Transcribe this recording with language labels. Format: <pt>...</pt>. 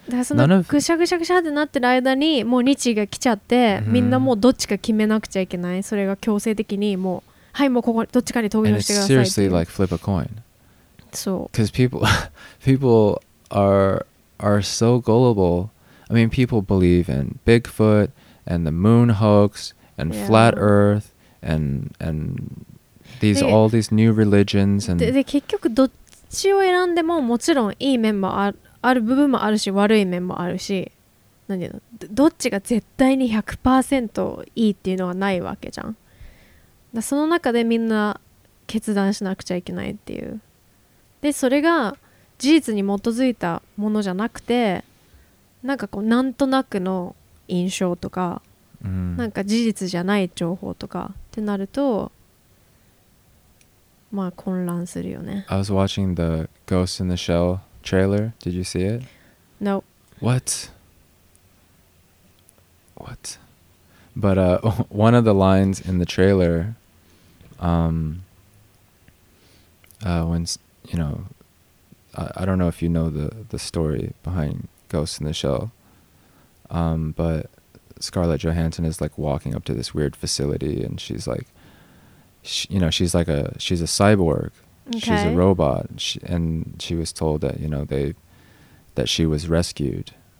<en>None of.</en> <ja>ぐしゃぐしゃぐしゃってなってる間に、もう日時が来ちゃって、みんなもうどっちか決めなくちゃいけない。それが強制的にもう、はい、もうここどっちかに投票してください。</ja> <en>And it's seriously like flip a coin.</en> <ja>そう。</ja> <en>Because people are so gullible. I mean, people believe in Bigfoot and the moon hoax and flat Earth. And these all these new religions and</en> <ja>で結局どっちを選んでももちろんいい面もある部分もあるし悪い面もあるし、何だろう、どっちが絶対に 100% いいっていうのはないわけじゃん。だその中でみんな決断しなくちゃいけないっていう、でそれが事実に基づいたものじゃなくて、なんかこうなんとなくの印象とか。なんか事実じゃない情報とかってなると、まあ混乱するよね。</ja> <en>I was watching the Ghost in the Shell trailer. Did you see it? No. What? But one of the lines in the trailer when, you know, I don't know if you know the story behind Ghost in the Shell, but Scarlett Johansson is like walking up to this weird facility, and she's like, she's a cyborg, she's a robot, and she was told that, you know, that she was rescued.</en>